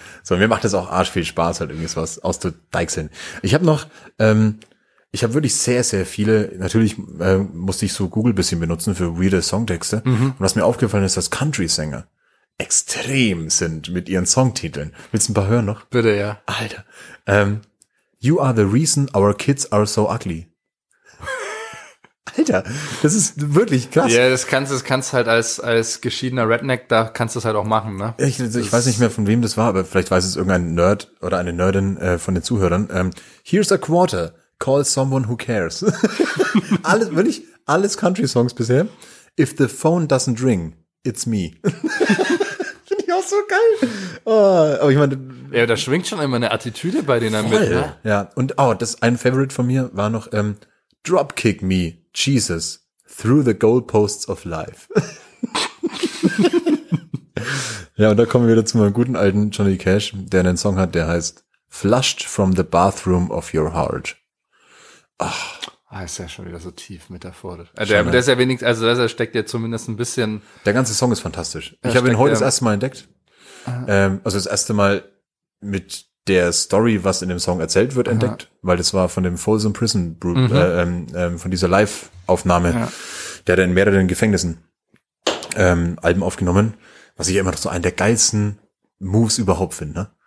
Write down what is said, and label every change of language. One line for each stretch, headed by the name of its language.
German: So, mir macht das auch arsch viel Spaß, halt irgendwas auszudeichseln. Ich habe noch Ich habe wirklich sehr, sehr viele, natürlich musste ich so Google ein bisschen benutzen für weirde Songtexte. Mhm. Und was mir aufgefallen ist, dass Country-Sänger extrem sind mit ihren Songtiteln. Willst du ein paar hören noch? Bitte, ja. Alter.
English: You are the reason our kids are so ugly.
German: Alter, das ist wirklich krass. Ja, das kannst halt als geschiedener Redneck, da kannst du es halt auch machen, ne? Ich weiß nicht mehr, von wem das war, aber vielleicht weiß es irgendein Nerd oder eine Nerdin von den Zuhörern.
English: Here's a quarter, call someone who cares.
German: Alles, wirklich, alles Country-Songs bisher.
English: If the phone doesn't ring, it's me.
German: Finde ich auch so geil. Oh, aber ich meine... Ja, da schwingt schon immer eine Attitüde bei denen voll, mit, ne? Ja, und oh, das ein Favorite von mir war noch...
English: Dropkick me, Jesus, through the goalposts of life.
German: Ja, und da kommen wir wieder zu meinem guten alten Johnny Cash, der einen Song hat, der heißt Flushed from the Bathroom of Your Heart. Ach. Ah, ist ja schon wieder so tief metaphorisch. Der ist ja wenigstens, also der steckt ja zumindest ein bisschen. Der ganze Song ist fantastisch. Ich habe ihn heute das erste Mal entdeckt. Also das erste Mal mit der Story, was in dem Song erzählt wird, entdeckt, weil das war von dem Folsom Prison Group, von dieser Live-Aufnahme, der in mehreren Gefängnissen Alben aufgenommen, was ich immer noch so einen der geilsten Moves überhaupt finde.